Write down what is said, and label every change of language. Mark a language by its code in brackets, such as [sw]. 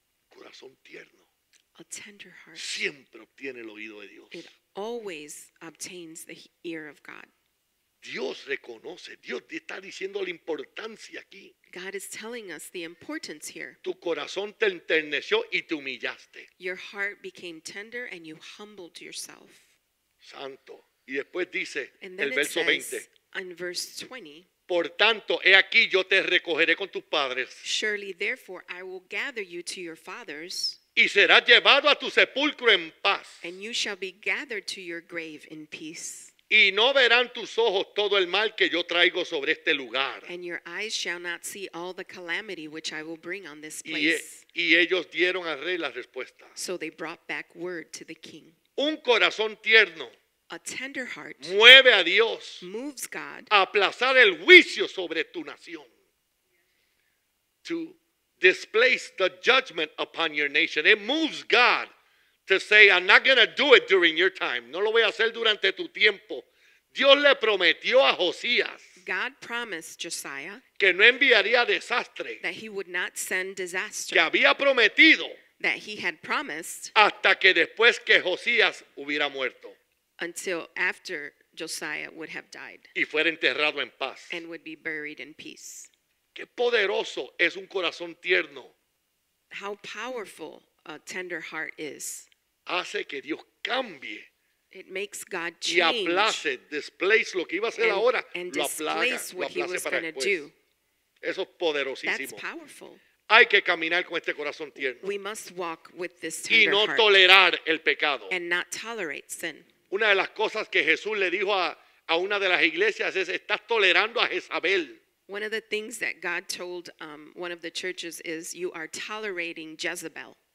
[es] Corazón tierno, [en] a tender heart, [es] siempre obtiene el oído de Dios. [en] It always obtains the ear of God. [es] Dios reconoce, Dios está diciendo la importancia aquí. [en] God is telling us the importance here. [es] Tu corazón te enterneció y te humillaste. [en] Your heart became tender and you humbled yourself. [es] Santo. Y después dice, [en] and then [es] el verso [en] says, 20. In verse 20. [es] Por tanto, he aquí yo te recogeré con tus padres. [en] Surely therefore I will gather you to your fathers. [es] Y serás llevado a tu sepulcro en paz. [en] And you shall be gathered to your grave in peace. [es] Y no verán tus ojos todo el mal que yo traigo sobre este lugar. [en] And your eyes shall not see all the calamity which I will bring on this place. [es] Y ellos dieron al rey la respuesta. [en] So they brought back word to the king. [es] Un corazón tierno, [en] a tender heart, [es] mueve a Dios, [en] moves God, [es] a aplazar el juicio sobre tu nación. [en] To displace the judgment upon your nation. It moves God. To say, I'm not going to do it during your time. [es] No lo voy a hacer durante tu tiempo. Dios le prometió a Josías. [en] God promised Josiah. [es] Que no enviaría desastre. [en] That he would not send disaster. [es] Que había prometido. [en] That he had promised. [es] Hasta que después que Josías hubiera muerto. [en] Until after Josiah would have died. [es] Y fuera enterrado en paz. [en] And would be buried in peace. [es] Qué poderoso es un corazón tierno. [en] How powerful a tender heart is. [es] Hace que Dios cambie. [en] It makes God change. [es] Y aplace, displace lo que iba a hacer ahora. [en] And [es] lo aplaga, [en] what [es] lo aplace [en] he was [es] para después. [en] Do. [es] Eso es poderosísimo. [en] That's powerful. [es] Hay que caminar con este corazón tierno. [en] We must walk with this tender [es] heart. Y no tolerar el pecado. [en] And not tolerate sin. [es] Una de las cosas que Jesús le dijo a una de las iglesias es, estás tolerando a Jezabel. [en] One of the things that God told one of the churches is, you are tolerating Jezebel.